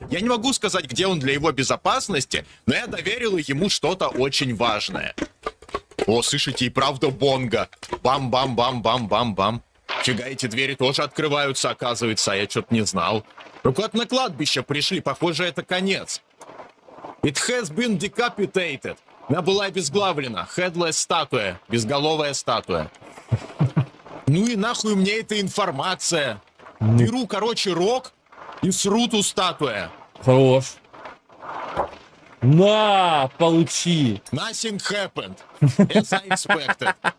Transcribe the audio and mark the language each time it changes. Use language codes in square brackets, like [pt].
[ru] Я не могу сказать, где он для его безопасности, но я доверила ему что-то очень важное. О, слышите, и правда бонга. Бам-бам-бам-бам-бам-бам. Фига, эти двери тоже открываются, оказывается, а я что-то не знал. Руклад на кладбище пришли, похоже, это конец. [en] It has been decapitated. [ru] Она была обезглавлена. Headless статуя. Безголовая статуя. Ну и нахуй мне эта информация. Беру, короче, рог и сру ту статуя. Хорош. На, получи. [en] Nothing happened. As I expected.